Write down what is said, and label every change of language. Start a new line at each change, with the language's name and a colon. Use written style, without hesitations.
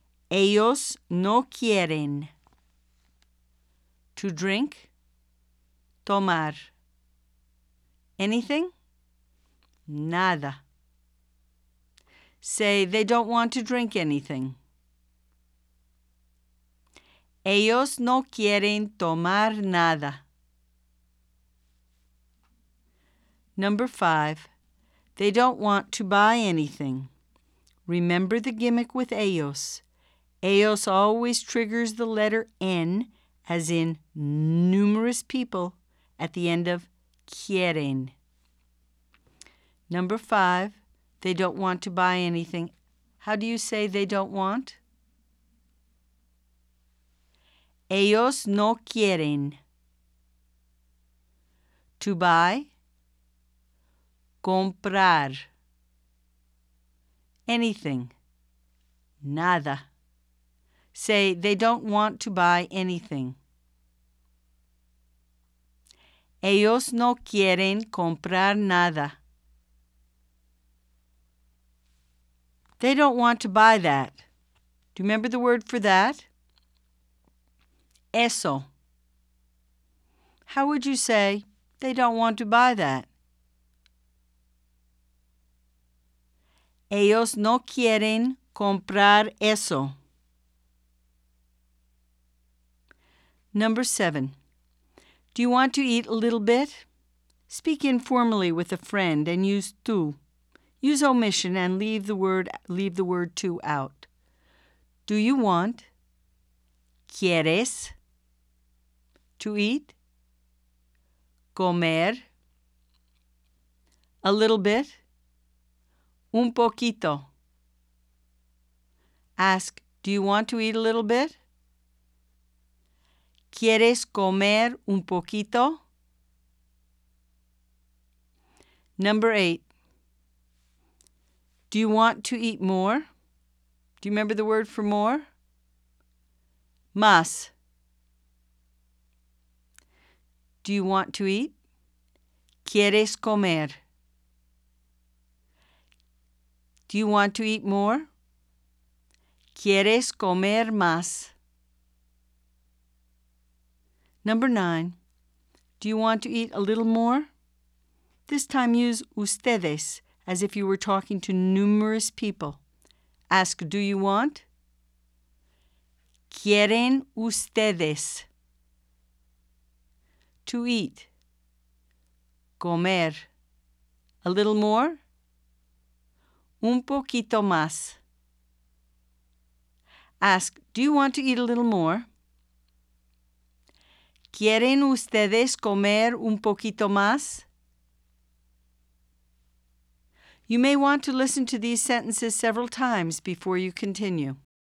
Spanish: Ellos no quieren.
English: To drink.
Spanish: Tomar.
English: Anything?
Spanish: Nada.
English: Say they don't want to drink anything.
Spanish: Ellos no quieren tomar nada.
English: Number 5. They don't want to buy anything. Remember the gimmick with ellos. Ellos always triggers the letter N, as in numerous people, at the end of quieren. Number 5. They don't want to buy anything. How do you say they don't want?
Spanish: Ellos no quieren.
English: To buy.
Spanish: Comprar.
English: Anything.
Spanish: Nada.
English: Say, they don't want to buy anything.
Spanish: Ellos no quieren comprar nada.
English: They don't want to buy that. Do you remember the word for that? Eso. How would you say, they don't want to buy that?
Spanish: Ellos no quieren comprar eso.
English: Number 7. Do you want to eat a little bit? Speak informally with a friend and use tú. Use omission and leave the word tú out. Do you want?
Spanish: ¿Quieres?
English: To eat?
Spanish: Comer?
English: A little bit?
Spanish: Un poquito.
English: Ask, do you want to eat a little bit?
Spanish: ¿Quieres comer un poquito?
English: Number 8. Do you want to eat more? Do you remember the word for more?
Spanish: Más.
English: Do you want to eat?
Spanish: ¿Quieres comer?
English: Do you want to eat more?
Spanish: ¿Quieres comer más?
English: Number 9. Do you want to eat a little more? This time use ustedes as if you were talking to numerous people. Ask, do you want?
Spanish: ¿Quieren ustedes?
English: To eat.
Spanish: Comer.
English: A little more?
Spanish: Un poquito más.
English: Ask, do you want to eat a little more?
Spanish: ¿Quieren ustedes comer un poquito más?
English: You may want to listen to these sentences several times before you continue.